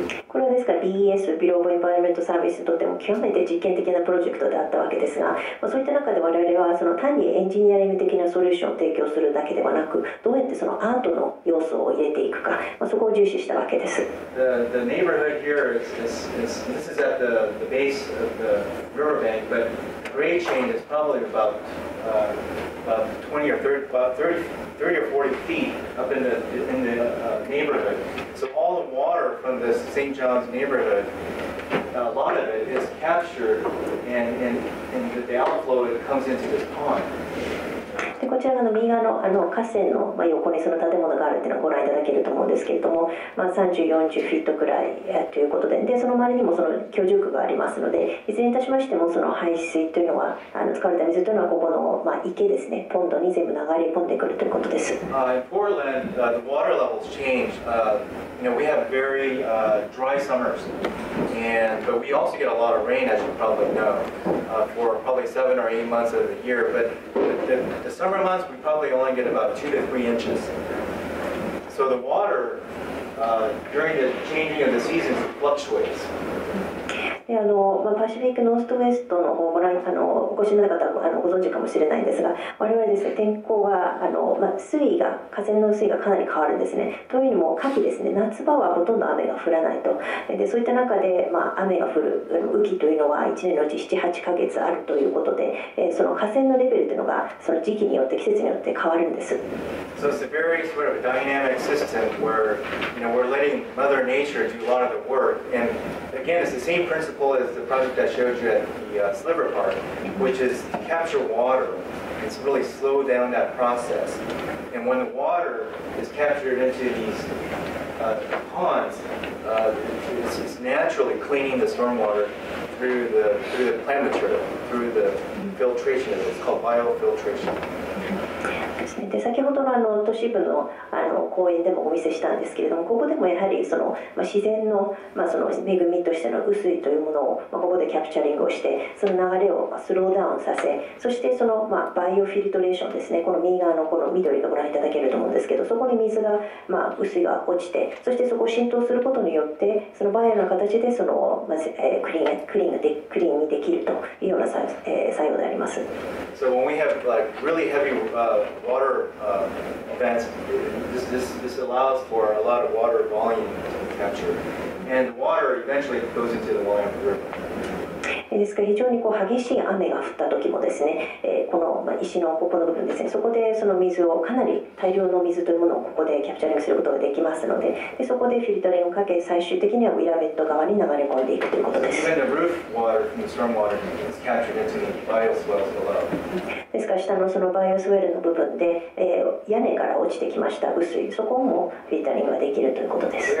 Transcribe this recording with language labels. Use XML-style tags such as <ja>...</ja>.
<ja>これはですから BES、 ビローブエンバイロメントサービスにとっても極めて実験的なプロジェクトであったわけですが、そういった中で我々はその単にエンジニアリング的なソリューションを提供するだけではなく、どうやってそのアートの要素を入れていくか、そこを重視したわけです。</ja> <en>The neighborhood here is at the base of the riverbank, but grade chain is probably about 30 or 40 feet up in the neighborhood. So all the water from this St. John's neighborhood, a lot of it is captured and the outflow comes into this pond.</en> <ja>でこちらの右側 の河川の横にその建物があるというのをご覧いただけると思うんですけれども、まあ、30、40フィットくらいということ でその周りにもその居住区がありますので、いずれにいたしましてもその排水というのは使われた水というのはここの、まあ、池ですね、ポンドに全部流れ込んでくるということです。</ja> <en>In Portland, the water levels change. We have very dry summers, but we also get a lot of rain, as you probably know, for probably 7 or 8 months of the year. But the summer months, we probably only get about 2 to 3 inches. So the water, during the changing of the seasons, fluctuates.</en> <ja>で、パシフィックノーストウェストの方をご覧の方はご存知かもしれないんですが、我々ですね、天候が水位が、河川の水位がかなり変わるんですね。というのも夏季ですね、夏場はほとんど雨が降らないと。でそういった中で、雨が降る雨季というのは1年のうち 7、8 ヶ月あるということで、その河川のレベルというのがその時期によって季節によって変わるんです。</ja> <en>So it's a very sort of dynamic system where, we're letting Mother Nature do a lot of the work. And again, it's the same principle as the project I showed you at the Sliver Park, which is to capture water and really slow down that process. And when the water is captured into these ponds, it's naturally cleaning the stormwater through the plant material, through the filtration. It's called biofiltration.</en> <ja>で先ほど の都市部 の公園でもお見せしたんですけれども、ここでもやはりその、自然 の、その恵みとしての雨水というものを、ここでキャプチャリングをして、その流れをスローダウンさせ、そしてその、バイオフィルトレーションですね、この右側 この緑がご覧いただけると思うんですけど、そこに水が、雨水が落ちて、そしてそこを浸透することによって、そのバイオの形でその、クリーンにできるというような 作用であります。</ja> <en>So when we have like really heavy water events, this allows for a lot of water volume to be captured, and the water eventually goes into the Wyoming River.</en> <ja>ですから非常にこう激しい雨が降った時もですね、この石のここの部分ですね、そこでその水をかなり大量の水というものをここでキャプチャリングすることができますので、でそこでフィルタリングをかけ、最終的にはウィラベット側に流れ込んでいくということです。ですから下のそのバイオスウェルの部分で、屋根から落ちてきました雨水、そこもフィルタリングができるということです。</ja>